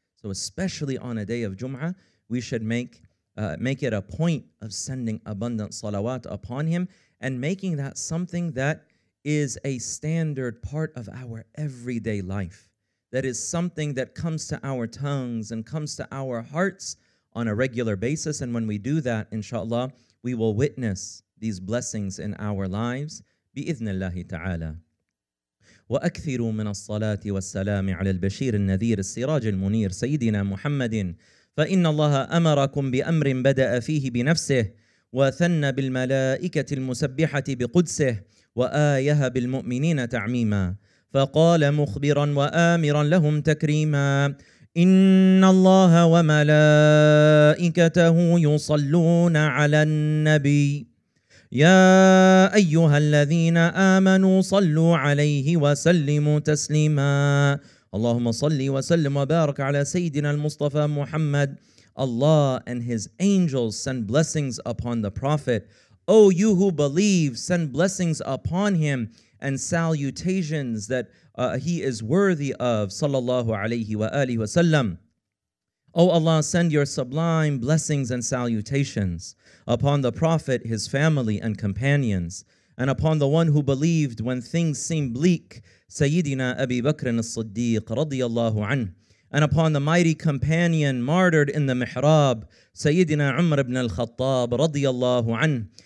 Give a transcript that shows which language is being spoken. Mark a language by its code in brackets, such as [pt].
[en] So especially on a day of Jum'ah, we should make it a point of sending abundant salawat upon him and making that something that is a standard part of our everyday life, that is something that comes to our tongues and comes to our hearts on a regular basis. And when we do that, inshallah, we will witness these blessings in our lives. [ar] Bi-ithnillahi ta'ala. وأكثروا من الصلاة والسلام على البشير النذير السراج المنير سيدنا محمد فإن الله أمركم بأمر بدأ فيه بنفسه وثنى بالملائكة المسبحة بقدسه وآيها بالمؤمنين تعميما فقال مخبرا وآمرا لهم تكريما إن الله وملائكته يصلون على النبي يا أيها الذين آمنوا صلوا عليه وسلموا تسليما اللهم صل وسلم وبارك على سيدنا المصطفى محمد. [en] Allah and His angels send blessings upon the Prophet. O you who believe, send blessings upon him and salutations that he is worthy of. [ar] Sallallahu alayhi wa alihi wa sallam. [en] O Allah, send your sublime blessings and salutations upon the Prophet, his family and companions, and upon the one who believed when things seemed bleak, Sayyidina Abi Bakr as-Siddiq radiyallahu anhu, and upon the mighty companion martyred in the mihrab, Sayyidina Umar ibn al-Khattab radiyallahu anhu,